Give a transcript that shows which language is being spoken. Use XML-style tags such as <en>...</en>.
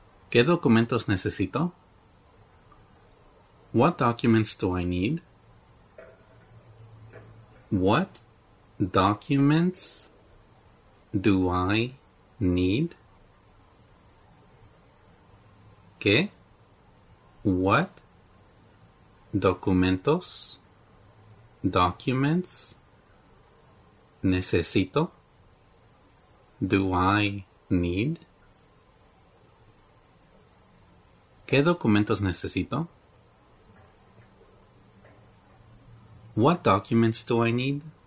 <es>¿Qué documentos necesito?</es> <en>What documents do I need? What documents do I need?</en> <es>¿Qué?</es> <en>What documentos? Documents</en> <es>necesito?</es> <en>Do I need?</en> <es>¿Qué documentos necesito?</es> <en>What documents do I need?</en>